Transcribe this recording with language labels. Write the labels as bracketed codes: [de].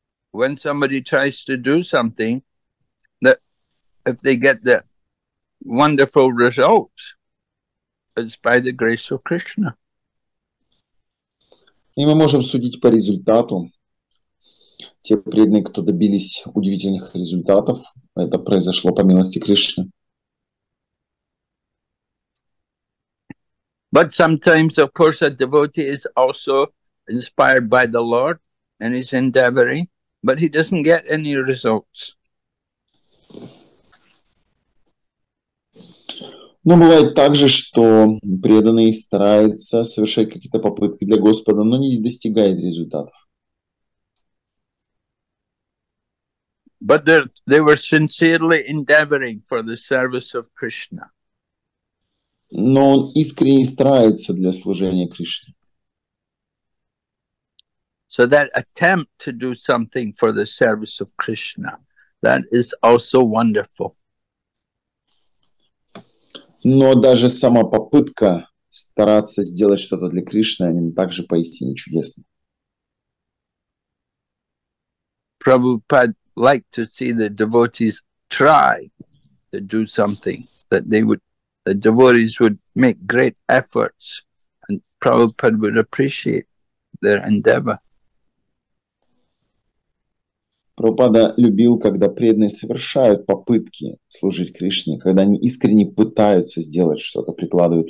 [en] When somebody tries to do something, that if they get the wonderful results, it's by the grace of Krishna. [ru] И мы можем судить по результату. Те преданные, кто добились удивительных результатов, это произошло по милости Кришны. [en] But sometimes, of course, a devotee is also inspired by the Lord and his endeavoring, but he doesn't get any results. [ru] Но бывает также, что преданный старается совершать какие-то попытки для Господа, но не достигает результатов. [en] But they were sincerely endeavoring for the service of Krishna. [ru] Но он искренне старается для служения Кришне. [en] So that attempt to do something for the service of Krishna, that is also wonderful. [ru] Но даже сама попытка стараться сделать что-то для Кришны, они также поистине чудесны. [en] Prabhupada liked to see the devotees try to do something, that they would, the devotees would make great efforts, and Prabhupada would appreciate their endeavor. [ru] Прабхупада любил, когда преданные совершают попытки служить Кришне, когда они искренне пытаются сделать что-то, прикладывают